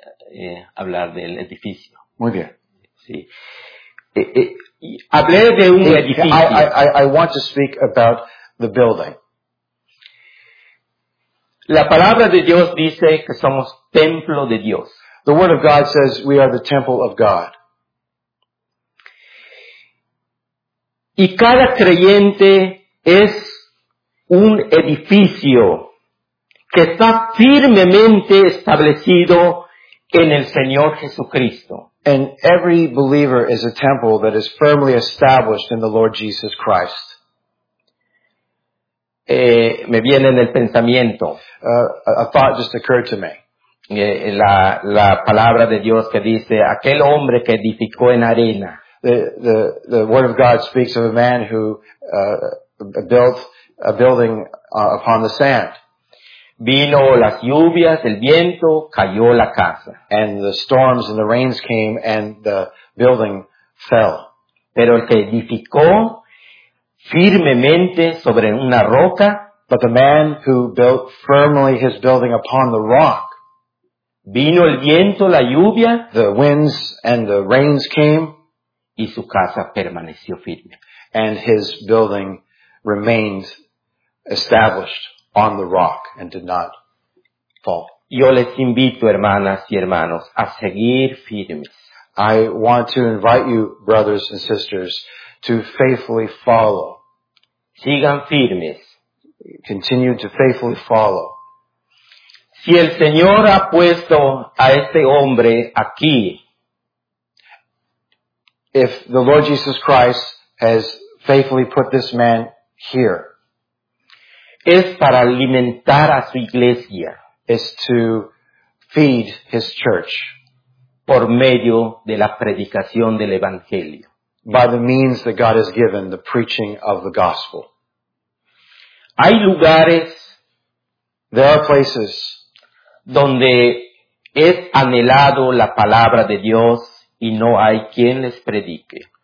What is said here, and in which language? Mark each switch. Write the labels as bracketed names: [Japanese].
[Spanish] Quiero hablar del edificio. Muy bien. Sí. Hablé de un edificio. [English] I want to speak about the building. [Spanish] La palabra de Dios dice que somos templo de Dios. [English] The word of God says we are the temple of God. [Spanish] Y cada creyente es un edificio que está firmemente establecido en el Señor Jesucristo. [English] And every believer is a temple that is firmly established in the Lord Jesus Christ. [Spanish] Me viene en el pensamiento. [English] A thought just occurred to me. [Spanish] La palabra de Dios que dice, aquel hombre que edificó en arena. [English] The word of God speaks of a man who built a building upon the sand. [Spanish] Vino las lluvias, el viento, cayó la casa. [English] And the storms and the rains came and the building fell. [Spanish] Pero el que edificó firmemente sobre una roca. [English] But the man who built firmly his building upon the rock. [Spanish] Vino el viento, la lluvia. [English] The winds and the rains came. [Spanish] Y su casa permaneció firme. [English] And his building remained established on the rock and did not fall. [Spanish] Yo les invito, hermanas y hermanos, a seguir firmes. [English] I want to invite you, brothers and sisters, to faithfully follow. [Spanish] Sigan firmes. [English] Continue to faithfully follow. [Spanish] Si el Señor ha puesto a este hombre aquí, [English] if the Lord Jesus Christ has faithfully put this man here, [Spanish] es para alimentar a su iglesia. [English] Is to feed his church. [Spanish] Por medio de la predicación del evangelio. [English] By the means that God has given, the preaching of the gospel. [Spanish] Hay lugares. [English] There are places. [Spanish] Donde es anhelado la palabra de Dios y no hay quien les predique.